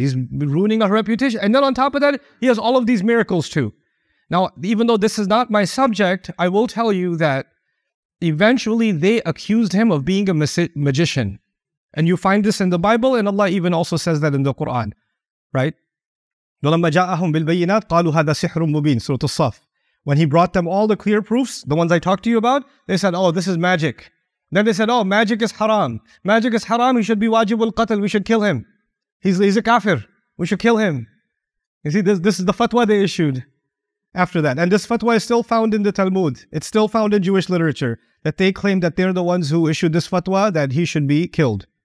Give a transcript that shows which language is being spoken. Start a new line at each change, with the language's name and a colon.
English: He's ruining our reputation. And then on top of that, he has all of these miracles too. Now, even though this is not my subject, I will tell you that eventually they accused him of being a magician. And you find this in the Bible, and Allah even also says that in the Quran, right?
Arabic: وَلَمَّ جَاءَهُمْ بِالْبَيِّنَاتِ قَالُوا هَذَا سِحْرٌ مُبِينٌ Surah As-Saff.
English: When he brought them all the clear proofs, the ones I talked to you about, they said, oh, this is magic. Then they said, oh, magic is haram. Magic is haram, he should be wajib al-qatl, we should kill him. He's a kafir, we should kill him. You see, this is the fatwa they issued after that. And this fatwa is still found in the Talmud. It's still found in Jewish literature, that they claim that they're the ones who issued this fatwa, that he should be killed.